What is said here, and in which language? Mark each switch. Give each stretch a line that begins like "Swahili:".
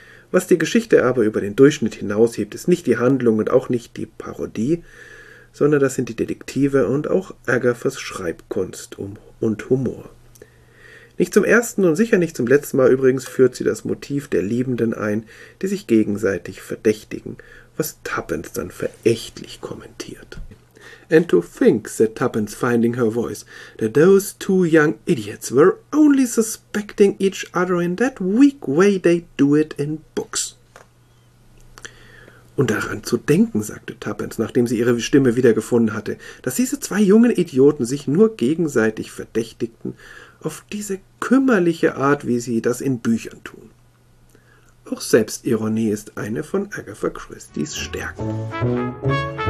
German: Was die Geschichte aber über den Durchschnitt hinaushebt, ist nicht die Handlung und auch nicht die Parodie, sondern das sind die Detektive und auch Agathas Schreibkunst und Humor. Nicht zum ersten und sicher nicht zum letzten Mal übrigens führt sie das Motiv der Liebenden ein, die sich gegenseitig verdächtigen, was Tuppence dann verächtlich kommentiert.
English: "And to think," said Tuppence, finding her voice, "that those two young idiots were only suspecting each other in that weak way they do it in books."
German: "Und daran zu denken," sagte Tuppence, nachdem sie ihre Stimme wiedergefunden hatte, "dass diese zwei jungen Idioten sich nur gegenseitig verdächtigten, auf diese kümmerliche Art, wie sie das in Büchern tun." Auch Selbstironie ist eine von Agatha Christies Stärken.